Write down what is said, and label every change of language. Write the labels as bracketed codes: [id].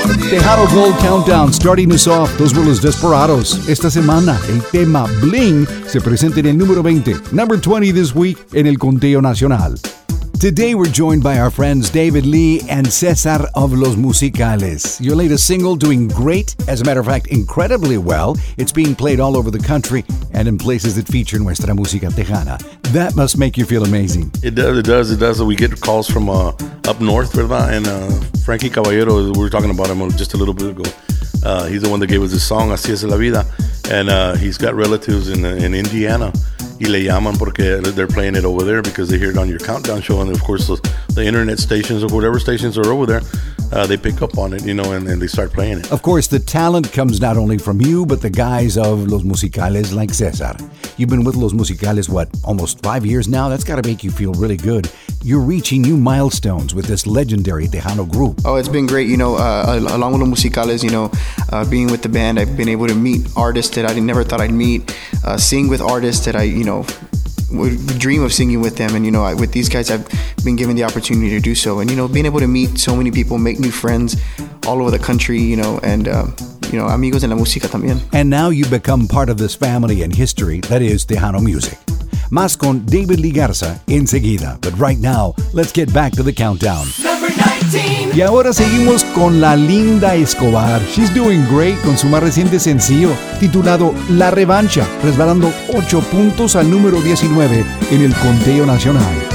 [en] Tejano Gold Countdown, starting us off, those were Los Desperados. [es] Esta semana, el tema Bling se presenta en el número 20, [en] number 20 this week [es] en el conteo nacional. [en] Today we're joined by our friends David Lee and Cesar of Los Musicales. Your latest single doing great, as a matter of fact, incredibly well. It's being played all over the country and in places that feature [es] nuestra música tejana. [en] That must make you feel amazing. It does. We get calls from up north, ¿verdad? And Frankie Caballero, we were talking about him just a little bit ago. He's the one that gave us the song, Así es la Vida. And he's got relatives in Indiana. [es] Y le llaman porque [en] they're playing it over there because they hear it on your countdown show. And of course, the internet stations or whatever stations are over there, they pick up on it, you know, and they start playing it. Of course, the talent comes not only from you, but the guys of Los Musicales like Cesar. You've been with Los Musicales, what, almost 5 years now? That's got to make you feel really good. You're reaching new milestones with this legendary Tejano group. Oh, it's been great. You know, along with Los Musicales, you know, being with the band, I've been able to meet artists that I never thought I'd meet, sing with artists that I, you know, would dream of singing with them. And, you know, with these guys, I've been given the opportunity to do so. And, you know, being able to meet so many people, make new friends all over the country, you know, and, you know, [es] amigos en la música también. [en] And now you've become part of this family and history that is Tejano music. [es] Más con David Lee Garza enseguida. [en] But right now, let's get back to the countdown. Number 19. [es] Y ahora seguimos con la linda Escobar. [en] She's doing great [es] con su más reciente sencillo titulado La Revancha, resbalando 8 puntos al número 19 en el conteo nacional.